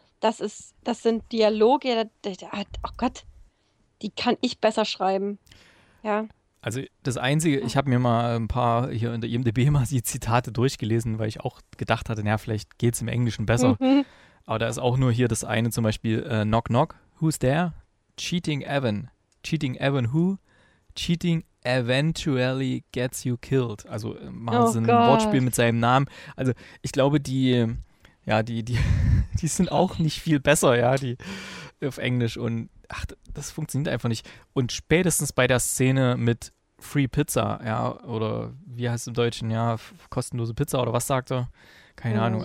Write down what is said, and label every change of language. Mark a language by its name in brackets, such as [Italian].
[German] Das sind Dialoge, oh Gott, die kann ich besser schreiben. Ja. Also das Einzige, ich habe mir mal ein paar hier in der IMDb mal die Zitate durchgelesen, weil ich auch gedacht hatte, naja, vielleicht geht es im Englischen besser. Aber da ist auch nur hier das eine zum Beispiel, [English] Knock, knock, who's there? Cheating Evan. Cheating Evan who? Cheating eventually gets you killed. [German] Also machen Oh sie ein Wortspiel Gott. mit seinem Namen. Also ich glaube, die, ja, die sind auch nicht viel besser, ja, die auf Englisch und ach, das funktioniert einfach nicht. Und spätestens bei der Szene mit Free Pizza, ja, oder wie heißt es im Deutschen, ja, kostenlose Pizza oder was sagt er? Keine Ahnung.